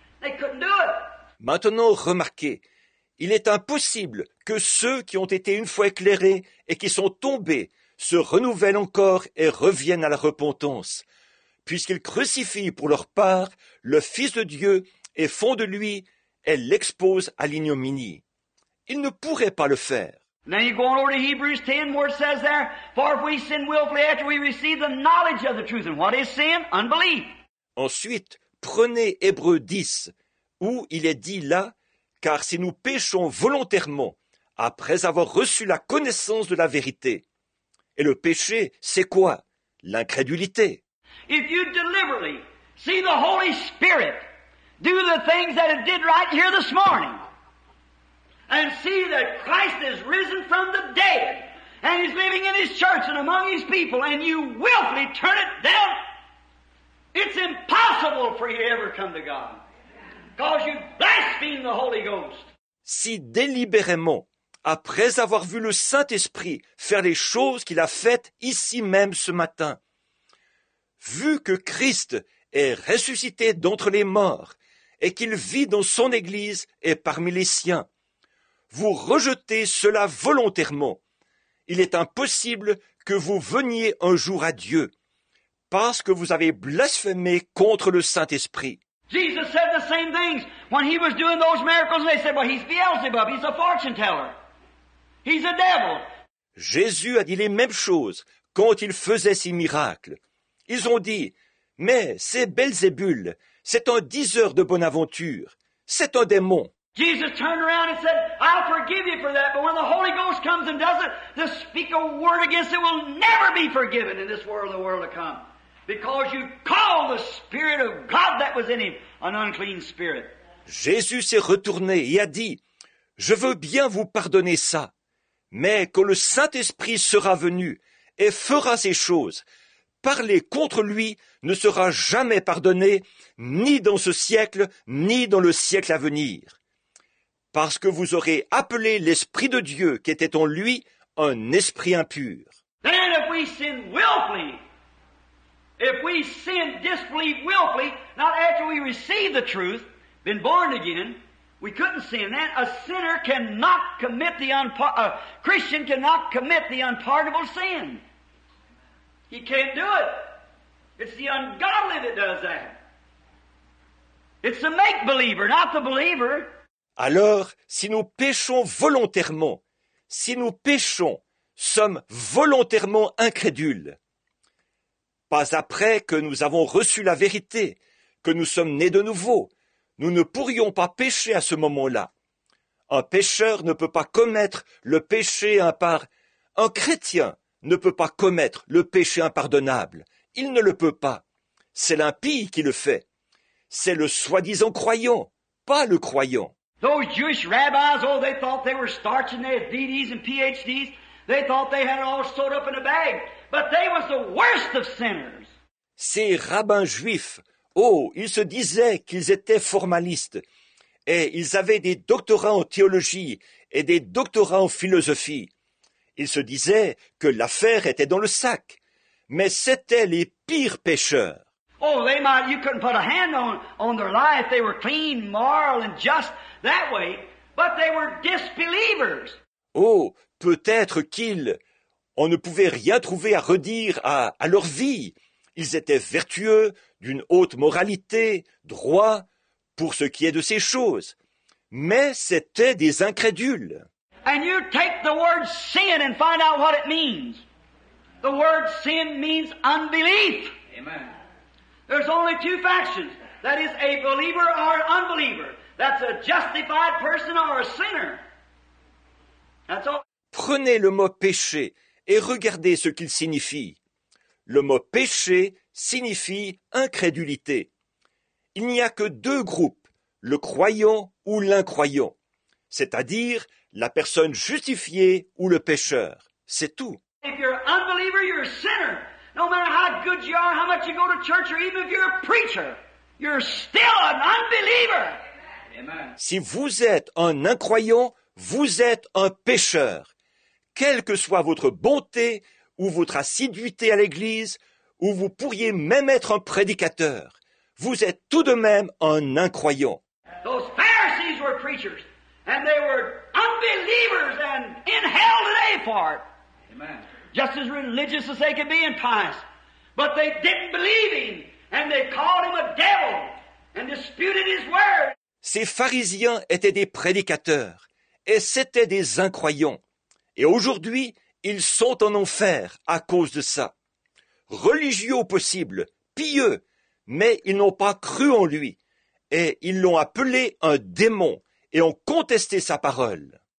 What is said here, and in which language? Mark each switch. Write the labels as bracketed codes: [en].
[en] They couldn't do it. [fr] Maintenant, remarquez, il est impossible que ceux qui ont été une fois éclairés et qui sont tombés se renouvellent encore et reviennent à la repentance. Puisqu'ils crucifient pour leur part le Fils de Dieu et font de lui et l'exposent à l'ignominie. Ils ne pourraient pas le faire. [en] Now you go on over to Hebrews 10, where it says there, for if we sin willfully after we receive the knowledge of the truth, and what is sin? Unbelief. [fr] Ensuite, prenez Hébreux 10, où il est dit là, car si nous péchons volontairement, après avoir reçu la connaissance de la vérité, et le péché, c'est quoi? L'incrédulité. [en] If you deliberately see the Holy Spirit do the things that it did right here this morning and see that Christ is risen from the dead and he's living in his church and among his people, and you willfully turn it down, it's impossible for you to ever come to God, because you blaspheme the Holy Ghost. [fr] Si délibérément, après avoir vu le Saint-Esprit faire les choses qu'il a faites ici même ce matin, vu que Christ est ressuscité d'entre les morts et qu'il vit dans son Église et parmi les siens, vous rejetez cela volontairement. Il est impossible que vous veniez un jour à Dieu, parce que vous avez blasphémé contre le Saint-Esprit. [en] Jesus said the same things when he was doing those miracles, and they said, well, he's Beelzebub, he's a fortune teller, he's a devil. [fr] Jésus a dit les mêmes choses quand il faisait ses miracles. Ils ont dit, mais c'est Belzébul, c'est un diseur de bonne aventure, c'est un démon. [en] Jesus turned around and said, I'll forgive you for that, but when the Holy Ghost comes and does it, to speak a word against it will never be forgiven in this world or the world to come. Because you call the Spirit of God that was in him an unclean spirit. [fr] Jésus s'est retourné et a dit, je veux bien vous pardonner ça, mais quand le Saint-Esprit sera venu et fera ces choses, parler contre lui ne sera jamais pardonné, ni dans ce siècle, ni dans le siècle à venir. Parce que vous aurez appelé l'Esprit de Dieu qui était en lui un esprit impur. [en] Then if we sin willfully, if we sin disbelieve willfully, not after we receive the truth, been born again, we couldn't sin then. A sinner cannot commit the Christian cannot commit the unpardonable sin. He can't do it. It's the ungodly that does that. It's the make-believer, not the believer. [fr] Alors, si nous péchons volontairement, si nous péchons, sommes volontairement incrédules. Pas après que nous avons reçu la vérité, que nous sommes nés de nouveau, nous ne pourrions pas pécher à ce moment-là. Un pécheur ne peut pas commettre le péché impardonnable. Un chrétien ne peut pas commettre le péché impardonnable. Il ne le peut pas. C'est l'impie qui le fait. C'est le soi-disant croyant, pas le croyant. [en] Those Jewish rabbis, oh, they thought they were starch and they had DDs and PhDs. They thought they had it all sewed up in a bag. But they was the worst of sinners. [fr] Ces rabbins juifs, oh, ils se disaient qu'ils étaient formalistes. Et ils avaient des doctorats en théologie et des doctorats en philosophie. Ils se disaient que l'affaire était dans le sac. Mais c'étaient les pires pécheurs. [en] Oh, they might, you couldn't put a hand on their life. They were clean, moral, and just that way. But they were disbelievers. [fr] Oh, peut-être qu'ils, on ne pouvait rien trouver à redire à leur vie. Ils étaient vertueux, d'une haute moralité, droits, pour ce qui est de ces choses. Mais c'était des incrédules. [en] And you take the word sin and find out what it means. The word sin means unbelief. Amen. There's only two factions. That is a believer or an unbeliever. That's a justified person or a sinner. That's all. [fr] Prenez le mot péché et regardez ce qu'il signifie. Le mot péché signifie incrédulité. Il n'y a que deux groupes, le croyant ou l'incroyant, c'est-à-dire la personne justifiée ou le pécheur. C'est tout. [en] If you're an unbeliever, you're a sinner. No matter how good you are, how much you go to church, or even if you're a preacher, you're still an unbeliever. Amen. [fr] Si vous êtes un incroyant, vous êtes un pécheur. Quelle que soit votre bonté ou votre assiduité à l'Église, ou vous pourriez même être un prédicateur, vous êtes tout de même un incroyant. [en] Those Pharisees were preachers, and they were unbelievers, and in hell today for it. Amen. Just as religious as they could be and pious. But they didn't believe him, and they called him a devil, and disputed his word. [fr] Ces pharisiens étaient des prédicateurs, et c'étaient des incroyants. Et aujourd'hui, ils sont en enfer à cause de ça. Religieux au possible, pieux, mais ils n'ont pas cru en lui. Et ils l'ont appelé un démon et ont contesté sa parole.